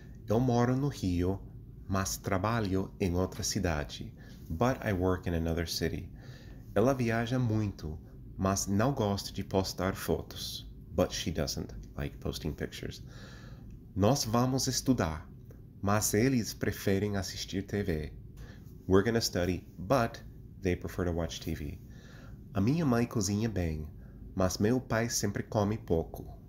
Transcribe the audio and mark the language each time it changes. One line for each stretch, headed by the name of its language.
Portuguese: Eu moro no Rio, mas trabalho em outra cidade.
English: But I work in another city.
Portuguese: Ela viaja muito, mas não gosta de postar fotos.
English: But she doesn't like posting pictures.
Portuguese: Nós vamos estudar, mas eles preferem assistir TV.
English: We're going to study, but they prefer to watch TV.
Portuguese: A minha mãe cozinha bem, mas meu pai sempre come pouco.